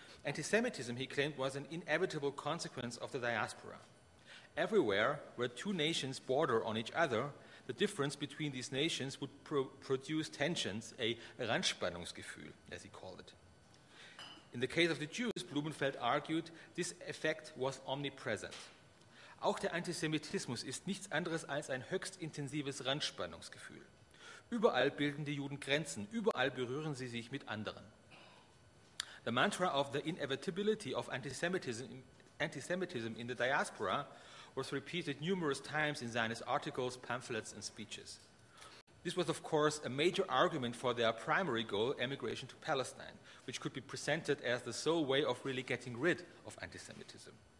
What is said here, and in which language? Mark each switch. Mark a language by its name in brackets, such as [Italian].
[English] Anti-Semitism, he claimed, was an inevitable consequence of the diaspora. Everywhere where two nations border on each other, the difference between these nations would produce tensions, a Randspannungsgefühl, as he called it. In the case of the Jews, Blumenfeld argued, this effect was omnipresent. [German] Auch der Antisemitismus ist nichts anderes als ein höchst intensives Randspannungsgefühl. Überall bilden die Juden Grenzen, überall berühren sie sich mit anderen. [English] The mantra of the inevitability of antisemitism in the diaspora was repeated numerous times in Zionist articles, pamphlets, and speeches. This was, of course, a major argument for their primary goal, emigration to Palestine, which could be presented as the sole way of really getting rid of anti-Semitism.